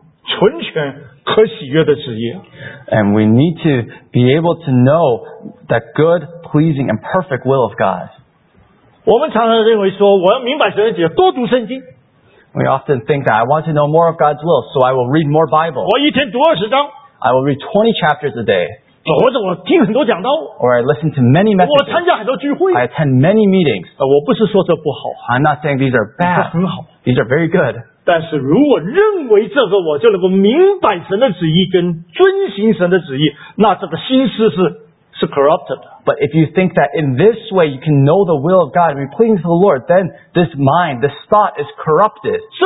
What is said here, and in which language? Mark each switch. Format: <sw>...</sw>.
<zh>我们要能够明白遵行那善良、纯全、可喜悦的旨意。</zh> <en>And we need to be able to know that good, pleasing, and perfect will of God.</en> <zh>我们常常认为说，我要明白神的旨意，多读圣经。</zh> <en>We often think that I want to know more of God's will, so I will read more Bible.</en> <zh>我一天读20章,</zh> <en>I will read 20 chapters a day.</en> <zh>或者我听很多讲道,</zh> <en>or I listen to many messages.</en> <zh>我参加很多聚会,</zh> <en>I attend many meetings.</en> <zh>我不是说这不好,</zh> <en>I'm not saying these are bad.</en> <zh>这很好,</zh> <en>these are very good.</en> <zh>但是如果认为这个我就能够明白神的旨意跟遵行神的旨意，那这个心思是</zh> <en>corrupted. But if you think that in this way you can know the will of God and be pleasing to the Lord, then this mind, this thought is corrupted.</en>